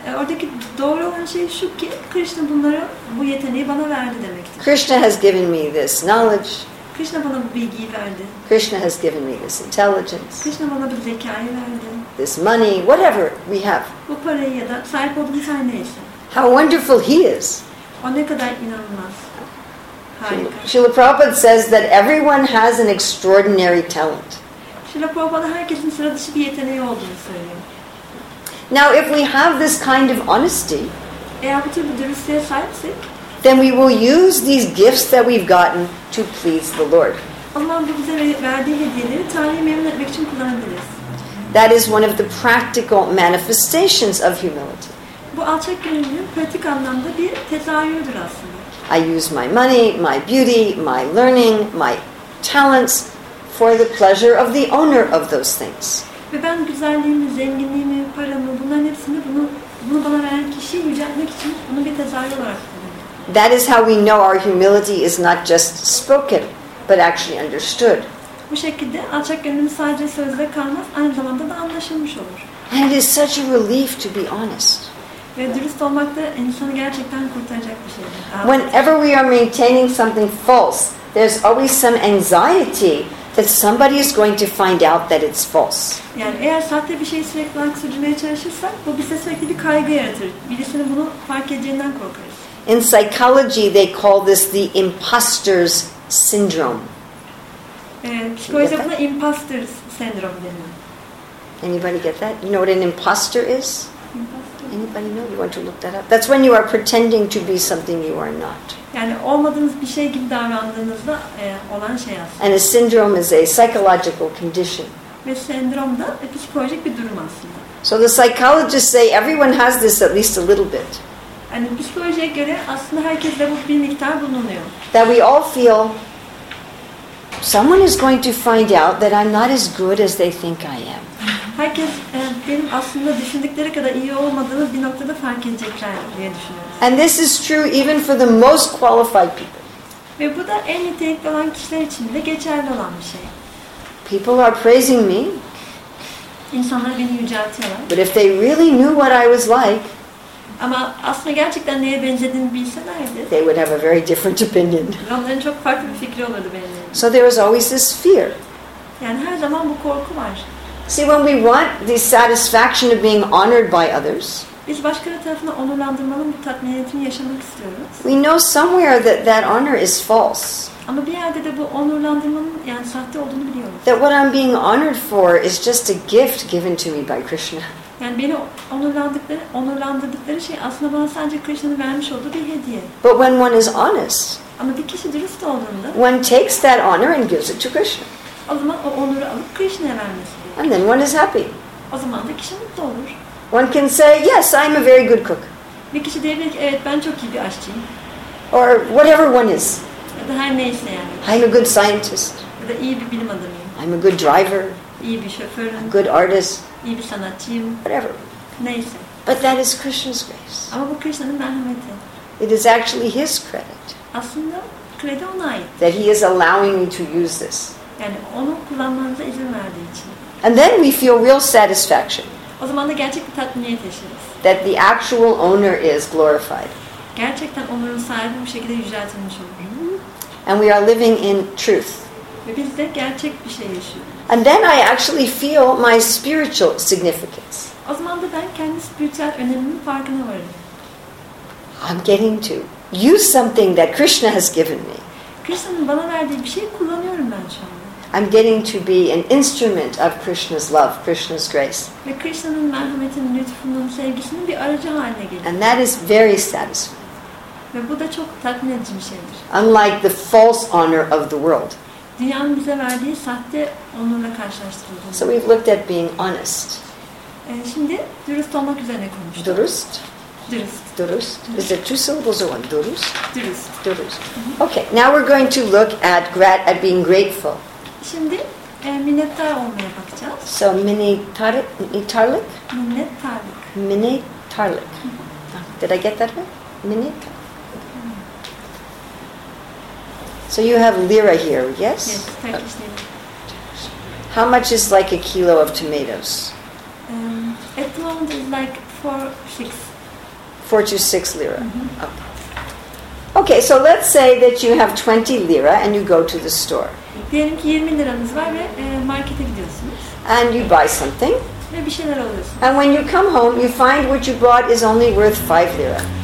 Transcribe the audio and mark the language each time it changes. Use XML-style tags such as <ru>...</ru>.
<tr>Oradaki doğru olan şey şu ki Krishna bunları, bu yeteneği bana verdi demektir.</tr> <en>Krishna has given me this knowledge.</en> <tr>Krishna bana bu bilgiyi verdi.</tr> <en>Krishna has given me this intelligence.</en> <tr>Krishna bana bu zekayı verdi.</tr> <en>This money, whatever we have.</en> <tr>Bu parayı ya da sahip olduğumuz her neyse.</tr> <en>How wonderful he is.</en> <tr>O ne kadar inanılmaz.</tr> <en>Srila Prabhupada says that everyone has an extraordinary talent.</en> <tr>Srila Prabhupada herkesin sıra dışı bir yeteneği olduğunu söylüyor.</tr> <en>Now if we have this kind of honesty,</en> <tr>eğer bu tür bir dürüstlüğe sahipsek,</tr> <en>then we will use these gifts that we've gotten to please the Lord.</en> <tr>Allah'ın bize verdiği hediyeleri Tanrı'yı memnun etmek için kullanabiliriz.</tr> <en>That is one of the practical manifestations of humility.</en> <tr>Bu alçak gönüllülüğün pratik anlamda bir tezahürüdür aslında.</tr> <en>I use my money, my beauty, my learning, my talents for the pleasure of the owner of those things.</en> <tr>Ve ben güzelliğimi, zenginliğimi, paramı, bunların hepsini bunu bana veren kişiyi yüceltmek için bunu bir tezahür olarak kullanıyorum.</tr> <en>That is how we know our humility is not just spoken, but actually understood.</en> <tr>Bu şekilde alçak gönlümüz sadece sözde kalmaz, aynı zamanda da anlaşılmış olur.</tr> <en>And it is such a relief to be honest.</en> <tr>Ve dürüst olmak da insanı gerçekten kurtaracak bir şeydir.</tr> <en>Whenever we are maintaining something false, there's always some anxiety that somebody is going to find out that it's false.</en> <tr>Yani eğer sahte bir şeyi sürekli olarak sürdürmeye çalışırsak, bu bize sürekli bir kaygı yaratır. Birisinin bunu fark edeceğinden korkarız.</tr> <en>In psychology, they call this the imposter's syndrome.</en> <tr>Psikolojide buna imposter's syndrome deniyor.</tr> <en>Anybody get that? You know what an imposter is? Anybody know? You want to look that up? That's when you are pretending to be something you are not.</en> <tr>Yani olmadığınız bir şey gibi davrandığınızda olan şey aslında.</tr> <en>And a syndrome is a psychological condition.</en> <tr>Ve sendrom da psikolojik bir durum aslında.</tr> <en>So the psychologists say everyone has this at least a little bit.</en> <tr>Yani psikolojiye göre aslında herkeste bu bir miktar bulunuyor.</tr> <en>That we all feel someone is going to find out that I'm not as good as they think I am.</en> <tr>Herkes benim aslında düşündükleri kadar iyi olmadığımı bir noktada fark edecekler diye düşünüyorum.</tr> <en>And this is true even for the most qualified people.</en> <tr>Ve bu da en yetenekli olan kişiler için de geçerli olan bir şey.</tr> <en>People are praising me.</en> <tr>İnsanlar beni yüceltiyorlar.</tr> <en>But if they really knew what I was like.</en> <tr>Ama aslında gerçekten neye benzediğimi bilselerdi.</tr> <en>They would have a very different opinion.</en> <tr>Onların çok farklı bir fikri olurdu benim.</tr> <en>So there is always this fear.</en> <tr>Yani her zaman bu korku var.</tr> <en>See, when we want the satisfaction of being honored by others,</en> <tr>biz başkaları tarafından onurlandırmanın bir tatminiyetini yaşamak istiyoruz.</tr> <en>We know somewhere that that honor is false.</en> <tr>Ama bir yerde de bu onurlandırmanın yani sahte olduğunu biliyoruz.</tr> <en>That what I'm being honored for is just a gift given to me by Krishna.</en> <tr>Yani beni onurlandırdıkları şey aslında bana sadece Krishna'nın vermiş olduğu bir hediye.</tr> <en>But when one is honest,</en> <tr>ama bir kişi dürüst olduğunda,</tr> <en>one takes that honor and gives it to Krishna.</en> <tr>O zaman o onuru alıp Krishna'ya vermesi.</tr> <en>And then one is happy.</en> <tr>O zaman da kişi mutlu olur.</tr> <en>One can say, yes, I'm a very good cook.</en> <tr>Bir kişi diyebilir ki, evet ben çok iyi bir aşçıyım.</tr> <en>Or whatever one is.</en> <tr>Ya da her neyse yani.</tr> <en>I'm a good scientist.</en> <tr>Ya da iyi bir bilim adamıyım.</tr> <en>I'm a good driver.</en> <tr>İyi bir şoförüm.</tr> <en>A good artist.</en> <tr>İyi bir sanatçıyım.</tr> <en>Whatever.</en> <tr>Neyse.</tr> <en>But that is Krishna's grace.</en> <tr>Ama bu Krishna'nın merhameti.</tr> <en>It is actually his credit.</en> <tr>Aslında kredi ona ait.</tr> <en>That he is allowing me to use this.</en> <tr>Yani onu kullanmanıza izin verdiği için.</tr> <en>And then we feel real satisfaction.</en> <tr>O zaman da gerçek bir tatminiyet yaşarız.</tr> <en>That the actual owner is glorified.</en> <tr>Gerçekten onurun sahibi bu şekilde yüceltilmiş olur.</tr> <en>And we are living in truth.</en> <tr>Ve biz de gerçek bir şey yaşıyoruz.</tr> <en>And then I actually feel my spiritual significance.</en> <tr>O zaman da ben kendi spiritüel önemimin farkına varırım.</tr> <en>I'm getting to use something that Krishna has given me.</en> <tr>Krishna'nın bana verdiği bir şeyi kullanıyorum ben şu anda.</tr> <en>I'm getting to be an instrument of Krishna's love, Krishna's grace.</en> <tr>Ve Krishna'nın merhametinin, lütfunun, sevgisinin bir aracı haline geliyor.</tr> <en>And that is very satisfying.</en> <tr>Ve bu da çok tatmin edici bir şeydir.</tr> <en>Unlike the false honor of the world.</en> <tr>Dünyanın bize verdiği sahte onurla karşılaştırıldığında.</tr> <en>So we've looked at being honest.</en> <tr>Şimdi dürüst olmak üzerine konuştuk. Dürüst. Dürüst.</tr> <en>Is it two syllables or one?</en> <tr>Dürüst. Dürüst. Dürüst.</tr> <en>Okay, now we're going to look at being grateful.</en> <tr>Şimdi minnettar olmaya bakacağız. So minnettarlık. Minnettarlık.</tr> <en>Minnettarlık. Did I get that right? So you have lira here, yes? Yes, Turkish lira. How much is like a kilo of tomatoes? At the moment is like 4-6. 4-6 lira. Mm-hmm. Okay, so let's say that you have 20 lira and you go to the store.</en> <tr>Diyelim ki 20 liranız var ve markete gidiyorsunuz.</tr> <en>And you buy something.</en> <tr>Ve bir şeyler alıyorsunuz.</tr> <en>And when you come home, you find what you bought is only worth 5 lira.</en>